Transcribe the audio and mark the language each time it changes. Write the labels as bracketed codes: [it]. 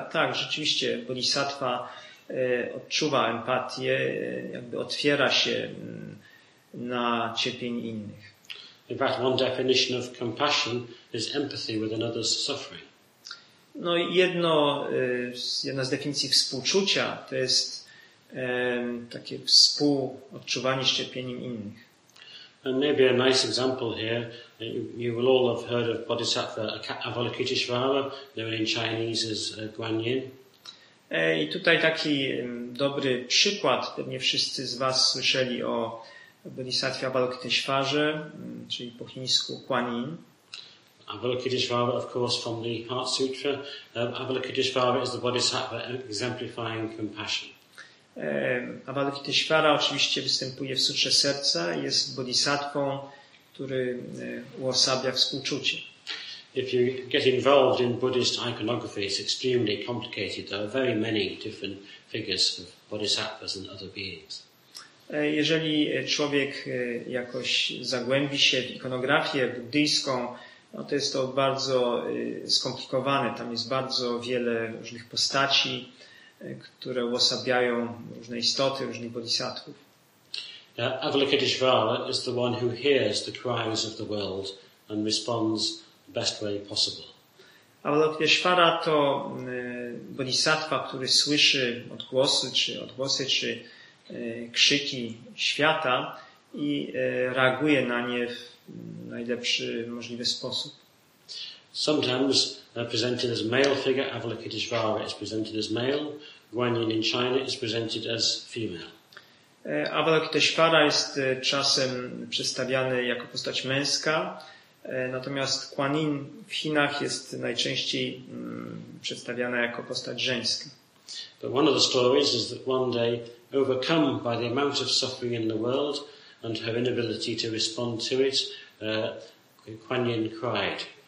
[pl] Tak, rzeczywiście bodhisattva odczuwa empatię, jakby otwiera się na cierpienie innych. [en] In fact, one definition of compassion is empathy with another's suffering. [pl] No i jedna z definicji współczucia to jest takie współodczuwanie z cierpieniem innych. [en] And maybe a nice example here, you will all have heard of Bodhisattva Avalokiteshvara, known in Chinese as Guan Yin. [pl] I tutaj taki dobry przykład, pewnie wszyscy z was słyszeli o Bodhisattva Avalokiteshvara, czyli po chińsku Guan Yin. [en] Avalokiteshvara, of course, from the Heart Sutra. Avalokiteshvara is the Bodhisattva exemplifying compassion. [pl] Avalokiteshvara oczywiście występuje w Sutrze Serca i jest bodhisattwą, który uosabia współczucie. [en] If you get involved in Buddhist iconography, it's extremely complicated. There are very many different figures of bodhisattvas and other beings. [pl] Jeżeli człowiek jakoś zagłębi się w ikonografię buddyjską, no to jest to bardzo skomplikowane. Tam jest bardzo wiele różnych postaci, które uosabiają różne istoty, różnych bodhisattwów. [en] Avalokiteshvara is the one who hears the cries of the world and responds the best way possible. [pl] Avalokiteshvara to bodhisattva, który słyszy odgłosy czy krzyki świata i reaguje na nie w najlepszy możliwy sposób. [en] Sometimes presented as male figure, Avalokiteshvara is presented as male. Guan Yin in China is presented as female. [pl] Avalokiteshvara jest czasem przedstawiany jako postać męska, natomiast Guan Yin w Chinach jest najczęściej przedstawiana jako postać żeńska. [en] But one of the stories is that one day, overcome by the amount of suffering in the world and her inability to respond to it, Guan Yin cried.